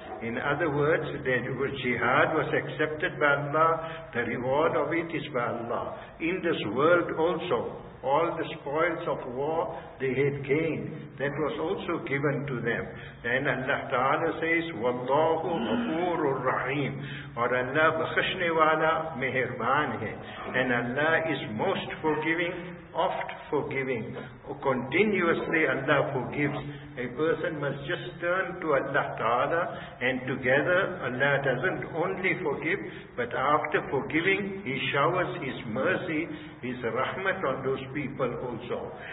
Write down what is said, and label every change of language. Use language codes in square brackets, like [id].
[en] In other words, that jihad was accepted by Allah, the reward of it is by Allah. In this world also, all the spoils of war they had gained, that was also given to them. Then Allah Ta'ala says, [ar] وَاللَّهُ غَفُورُ الرَّحِيمُ. [ur] اور اللہ بخشنے والا مہربان ہے. [en] And Allah is most forgiving, oft forgiving. Continuously Allah forgives. A person must just turn to Allah Ta'ala, and together Allah doesn't only forgive, but after forgiving, He showers His mercy, His rahmat on those people also.